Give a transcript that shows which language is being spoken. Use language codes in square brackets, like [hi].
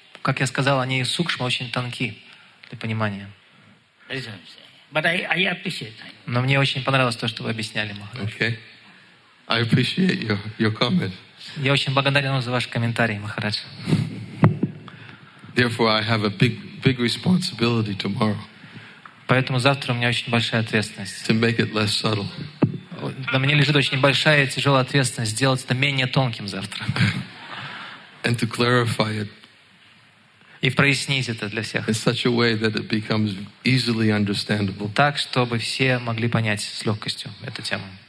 [ru] как я сказал, они сукшма очень тонки для понимания. [en] But I appreciate that. [ru] Но мне очень понравилось то, что вы объясняли, Махарадж. [en] Okay. I appreciate your comment. [ru] Я очень благодарен вам за ваш комментарий, Махарадж. [en] Therefore, I have a big responsibility tomorrow. [ru] Поэтому завтра у меня очень большая ответственность. [en] To make it less subtle. [ru] На мне лежит очень большая и тяжелая ответственность сделать это менее тонким завтра. [en] And to clarify it. [ru] И прояснить это для всех. [en] In such a way that it becomes easily understandable. [ru] Так, чтобы все могли понять с легкостью эту тему.